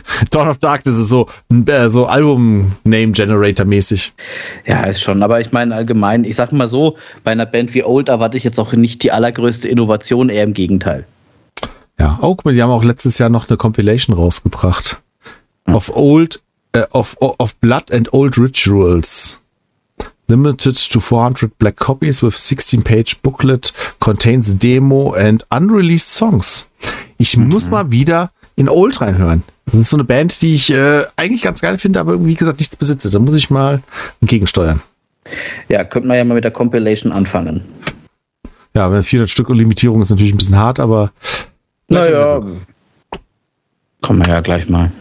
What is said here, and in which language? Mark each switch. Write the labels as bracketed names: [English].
[German] Dawn of Darkness ist so Album-Name-Generator-mäßig. Ja, ist schon, aber ich meine allgemein, ich sag mal so, bei einer Band wie Old erwarte ich jetzt auch nicht die allergrößte Innovation, eher im Gegenteil. Ja, auch, die haben auch letztes Jahr noch eine Compilation rausgebracht. Hm. Of Blood and Old Rituals. [English] Limited to 400 black copies with 16-page booklet, contains demo and unreleased songs. [German] Ich muss mal wieder in Old reinhören. Das ist so eine Band, die ich eigentlich ganz geil finde, aber wie gesagt nichts besitze. Da muss ich mal entgegensteuern. Ja, könnte man ja mal mit der Compilation anfangen. Ja, 400 Stück und Limitierung ist natürlich ein bisschen hart, aber... Naja, kommen wir ja gleich mal.